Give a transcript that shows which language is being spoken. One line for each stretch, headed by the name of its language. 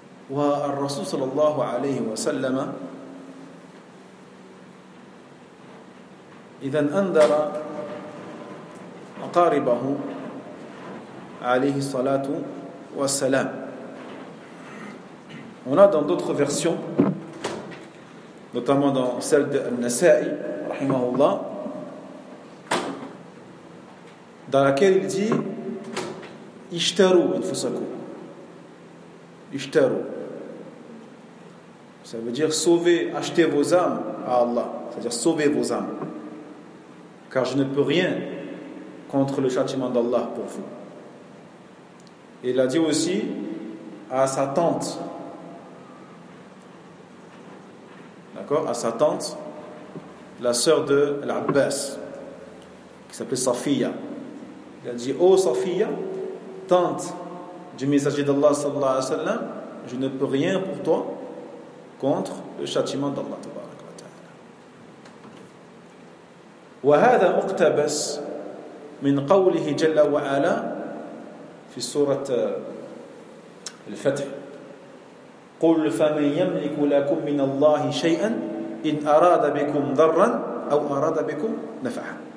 Arabic: والرسول صلى الله عليه وسلم إذا أنذر أقاربه عليه الصلاة والسلام
French: on a dans d'autres versions notamment dans celle de An-Nasa'i
Arabic: رحمه الله
French: dans laquelle il dit
Arabic: اشتروا أنفسكم اشتروا
French: Ça veut dire sauver, acheter vos âmes à Allah. C'est-à-dire sauver vos âmes. Car je ne peux rien contre le châtiment d'Allah pour vous. Et il a dit aussi à sa tante. D'accord ? À sa tante, la sœur de l'Abbas, qui s'appelait Safiya. Il a dit, « Oh Safiya, tante du messager d'Allah, sallallahu alayhi wa sallam, je ne peux rien pour toi. » contre le châtiment d'Allah
Arabic: وهذا مقتبس من قوله جل وعلا في سورة الفتح قل فمن يملك لكم من الله شيئا إن أراد بكم ضرا أو أراد بكم نفعا.